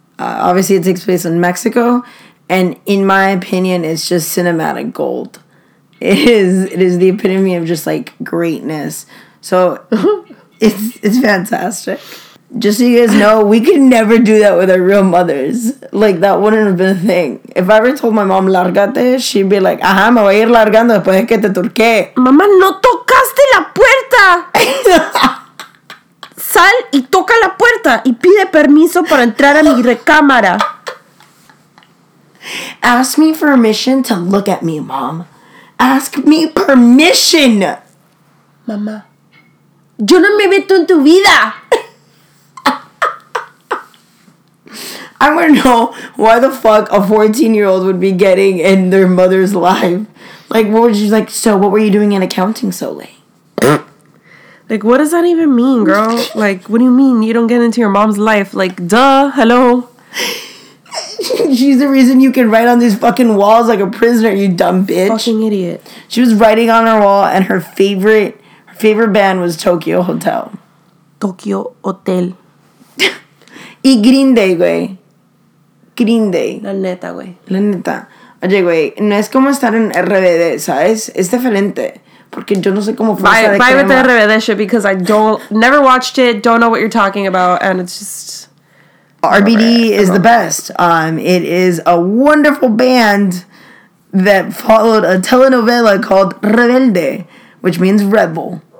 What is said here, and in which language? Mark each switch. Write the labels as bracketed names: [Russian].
[English] Obviously, it takes place in Mexico, and in my opinion, it's just cinematic gold. It is the epitome of just, like, greatness. So, it's fantastic. Just so you guys know, we could never do that with our real mothers. Like, that wouldn't have been a thing. If I ever told my mom, [Spanish] lárgate, [English] she'd be like, [Spanish] ajá, me voy a ir largando después de que te turqué. Mamá, no tocaste la puerta. Sal y toca la puerta y pide permiso para entrar a mi recámara. [English] Ask me for permission to look at me, mom. Ask me permission. [Spanish] Mamá. Yo no me meto en tu vida. [English] I want to know why the fuck a 14-year-old would be getting in their mother's life. Like, what would you like? So, what were you doing in accounting so late? Like, what does that even mean, girl? Like, what do you mean you don't get into your mom's life? Like, duh, hello. She's the reason you can write on these fucking walls like a prisoner, you dumb bitch. Fucking idiot. She was writing on her wall, and her favorite band was Tokyo Hotel. Tokyo Hotel. [Spanish] Y Green Day, güey. Green Day. La neta, güey. La neta. Oye, güey, no es como estar en RBD, ¿sabes? Es diferente. Porque yo no sé cómo fue. [English] Bye with the RBD shit, because I never watched it, don't know what you're talking about, and it's just... RBD is the best. It is a wonderful band that followed a telenovela called Rebelde, which means rebel.